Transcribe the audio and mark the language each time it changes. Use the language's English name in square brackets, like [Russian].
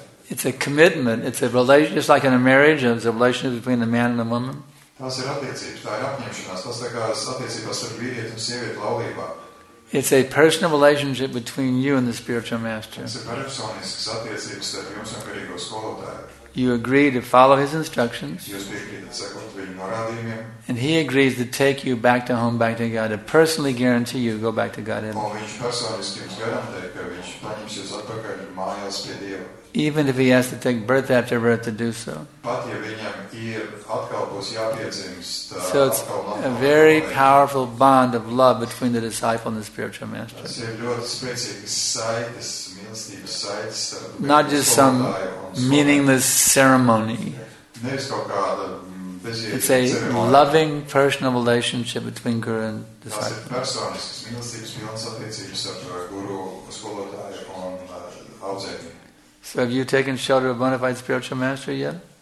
[English] It's a commitment, it's a relation, just like in a marriage, it's a relationship between the man and the woman. [Latvian] Tās ir attiecības, tā ir apņemšanās, tas tā kā attiecības ar vīrieti un sievieti laulībā. [English] It's a personal relationship between you and the spiritual master. [Latvian] Tas ir personisks attiecības ar jums un garīgo skolotāju. [English] You agree to follow his instructions. [Latvian] Jūs piekrītat sekot viņu norādījumiem. [English] And he agrees to take you back to home, back to God, to personally guarantee you go back to God. [Latvian] Un viņš personiski jums garantē, ka viņš paņems jūs atpakaļ mājās pie Dieva. [English] Even if he has to take birth after birth to do so. [Latvian] Pat, ja viņam ir atkal būs jāpiedzimst, [English] so it's a very powerful bond of love between the disciple and the spiritual master. [Latvian] Tas ir ļoti spēcīgs saites, mīlestības saites. [English] Not just some meaningless ceremony. [Latvian] Nevis kaut kāda bezjēdzīga. [English] It's a loving personal relationship between guru and disciple. [Latvian] Tas ir personisks, mīlestības pilns attiecības ar guru, skolotāju un audzētni. [English] So have you taken shelter of bona fide spiritual master yet?